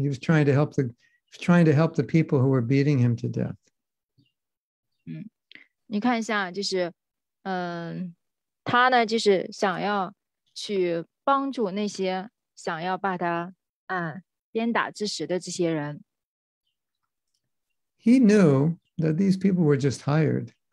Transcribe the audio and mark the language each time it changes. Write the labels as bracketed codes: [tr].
[en] He was trying to help the people who were beating him to death. [zh] 你看一下,就是他呢,就是想要去帮助那些想要把他鞭打致死的这些人。 [en] He knew that these people were just hired.